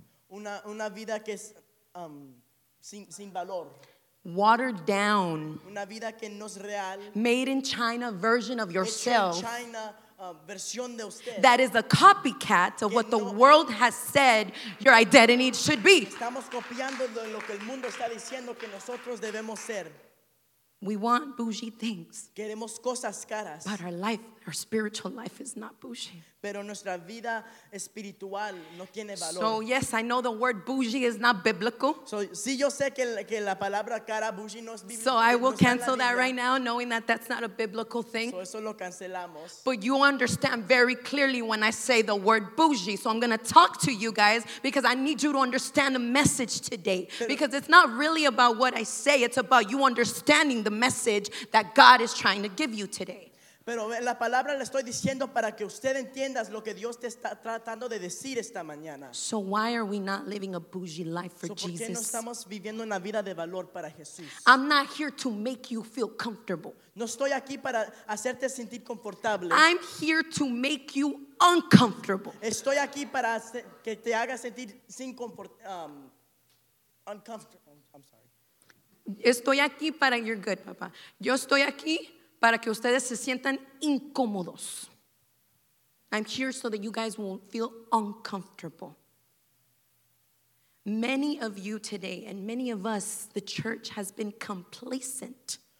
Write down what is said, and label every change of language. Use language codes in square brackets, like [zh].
[es] Una vida que es sin valor. [en] Watered down. [es] Una vida que no es real. [en] Made in China version of yourself. [es] Hecha en China, versión de usted. [en] That is a copycat of what the world has said your identity should be. [es] Estamos copiando de lo que el mundo está diciendo que nosotros debemos ser. [en] We want bougie things. [es] Queremos cosas caras. [en] But our life, our spiritual life is not bougie. [es] Pero nuestra vida espiritual no tiene valor. [en] So yes, I know the word bougie is not biblical. [es] So sí, yo sé que la palabra cara bougie no es biblical. [en] So I will cancel that right now, knowing that that's not a biblical thing. [es] So eso lo cancelamos. [en] But you understand very clearly when I say the word bougie. So I'm going to talk to you guys because I need you to understand the message today. Because it's not really about what I say. It's about you understanding the message that God is trying to give you today. [es] Pero la palabra le estoy diciendo para que usted entienda lo que Dios te está tratando de decir esta mañana. [en] So why are we not living a bougie life for Jesus? [es] ¿Por qué no estamos viviendo una vida de valor para Jesús? [en] I'm not here to make you feel comfortable. [es] No estoy aquí para hacerte sentir confortable. [en] I'm here to make you uncomfortable. [es] Estoy aquí para que te haga sentir sin confort, uncomfortable. [en] I'm sorry. [es] Estoy aquí para [en] you're good, [es] papá. Yo estoy aquí para que ustedes se sientan incómodos. [en] I'm here so that you guys won't feel uncomfortable. Many of you today and many of us, the church has been complacent.